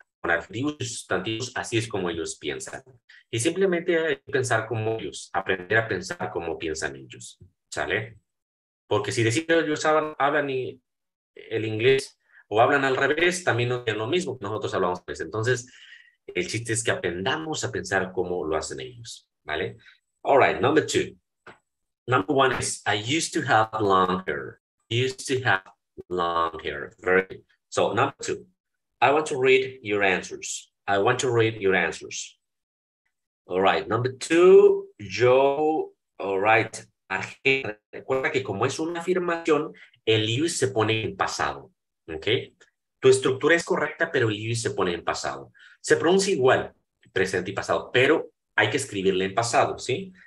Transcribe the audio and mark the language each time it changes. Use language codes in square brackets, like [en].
[es] con adjetivos y sustantivos, así es como ellos piensan. Y simplemente pensar como ellos, aprender a pensar como piensan ellos, ¿sale? Porque si decimos que ellos hablan el inglés o hablan al revés, también no es lo mismo que nosotros hablamos. Pues. Entonces, el chiste es que aprendamos a pensar como lo hacen ellos, ¿vale? [en] All right, number two. Number one is, I used to have long hair. Used to have long hair. Very good. So, number two. I want to read your answers. I want to read your answers. All right, number two. Joe, all right. [es] Recuerda que como es una afirmación, el you se pone en pasado. Okay. Tu estructura es correcta, pero el you se pone en pasado. Se pronuncia igual, presente y pasado, pero hay que escribirle en pasado, ¿sí?